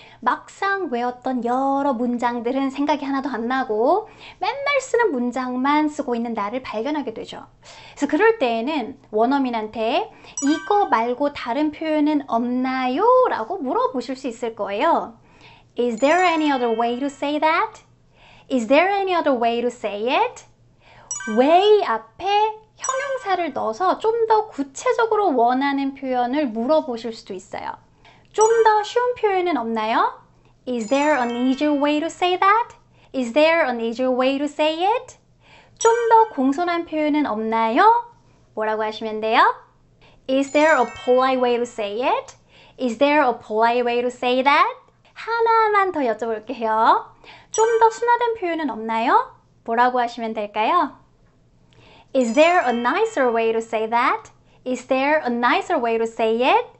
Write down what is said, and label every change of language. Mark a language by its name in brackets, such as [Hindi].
[Korean] 막상 외웠던 여러 문장들은 생각이 하나도 안 나고 맨날 쓰는 문장만 쓰고 있는 나를 발견하게 되죠. 그래서 그럴 때에는 원어민한테 이거 말고 다른 표현은 없나요? 라고 물어보실 수 있을 거예요. [English] Is there any other way to say that? Is there any other way to say it? [Korean] way 앞에 형용사를 넣어서 좀더 구체적으로 원하는 표현을 물어보실 수도 있어요. 좀더 쉬운 표현은 없나요? [English] Is there an easier way to say that? Is there an easier way to say it? [Korean] 좀더 공손한 표현은 없나요? 뭐라고 하시면 돼요? [English] Is there a polite way to say it? Is there a polite way to say that? [Korean] 하나만 더 여쭤볼게요. 좀더 순화된 표현은 없나요? 뭐라고 하시면 될까요? [English] Is there a nicer way to say that? Is there a nicer way to say it?